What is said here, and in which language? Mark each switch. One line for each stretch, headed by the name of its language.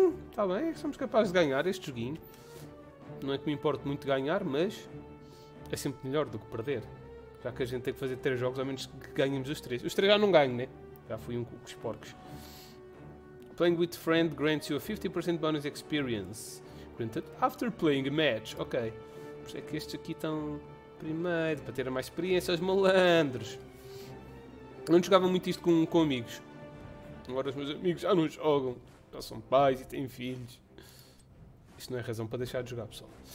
Portuguese: Está bem, somos capazes de ganhar este joguinho. Não é que me importe muito ganhar, mas é sempre melhor do que perder. Já que a gente tem que fazer três jogos, ao menos que ganhemos os três. Os três já não ganho, né? Já fui um com os porcos.
English: Playing with friend grants you a 50% bonus experience. Granted after playing a match. Ok.
Portuguese: Por isso é que estes aqui estão primeiro, para terem mais experiência, os malandros. Eu não jogava muito isto com amigos. Agora os meus amigos já não jogam. Já são pais e têm filhos. Isto não é razão para deixar de jogar, pessoal.